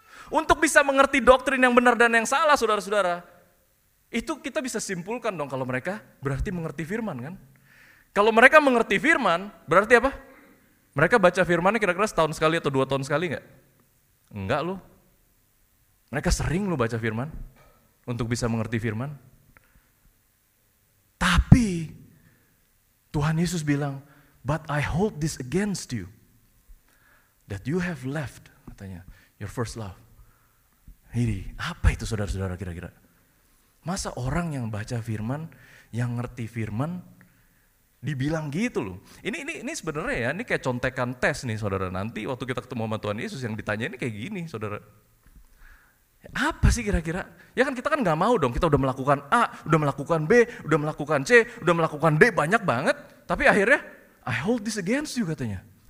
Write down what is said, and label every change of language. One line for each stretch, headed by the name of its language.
Indonesian: Untuk bisa mengerti doktrin yang benar dan yang salah, saudara-saudara, itu kita bisa simpulkan dong kalau mereka berarti mengerti firman, kan? Kalau mereka mengerti firman, berarti apa? Mereka baca firmannya kira-kira setahun sekali atau dua tahun sekali nggak? Enggak loh. Mereka sering loh baca firman untuk bisa mengerti firman. Tapi Tuhan Yesus bilang,
English: "But I hold this against you, that you have left,"
Indonesian: katanya,
English: "your first love."
Indonesian: Jadi, apa itu saudara-saudara kira-kira? Masa orang yang baca firman, yang ngerti firman, dibilang gitu loh. Ini sebenarnya ya, ini kayak contekan tes nih saudara, nanti waktu kita ketemu sama Tuhan Yesus yang ditanya ini kayak gini saudara. Apa sih kira-kira? Ya kan kita kan gak mau dong, kita udah melakukan A, udah melakukan B, udah melakukan C, udah melakukan D, banyak banget. Tapi akhirnya,
English: "I hold this against you,"
Indonesian: katanya.